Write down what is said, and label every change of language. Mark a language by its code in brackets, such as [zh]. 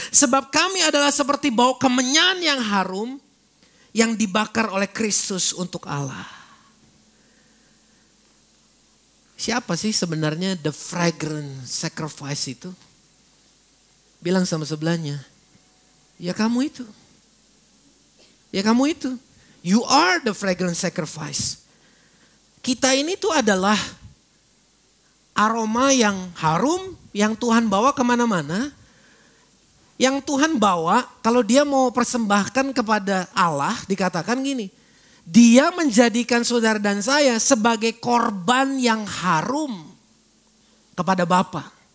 [id] Sebab kami adalah seperti bau kemenyan yang harum yang dibakar oleh Kristus untuk Allah. Siapa sih sebenarnya [en] the fragrant sacrifice [id] itu? Bilang sama sebelahnya, ya kamu itu. Ya kamu itu. [en] You are the fragrant sacrifice. [id] Kita ini tuh adalah aroma yang harum, yang Tuhan bawa kemana-mana. Yang Tuhan bawa, kalau dia mau persembahkan kepada Allah, dikatakan gini, dia menjadikan saudara dan saya sebagai korban yang harum kepada Bapa.